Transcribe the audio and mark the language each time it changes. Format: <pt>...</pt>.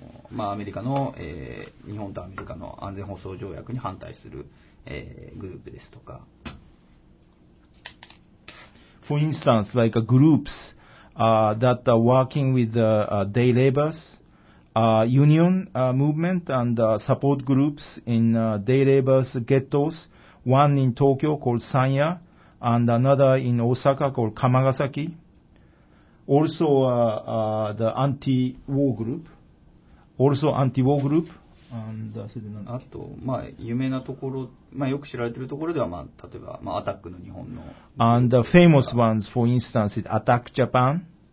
<ja>まあ、アメリカの、日本とアメリカの安全保障条約に反対する、グループですとか。</ja> <en>For instance, like a groups that are working with the day laborers, union movement and support groups in day laborers ghettos, one in Tokyo called Sanya and another in Osaka called Kamagasaki. Also, the anti-war group. Also, anti-war group. And,</en> <ja>あと、まあ、有名なところ、まあ、よく知られているところでは、まあ、例えば、まあ、アタックの日本の。</ja> <en>And the famous ones, for instance, is Attack Japan.</en>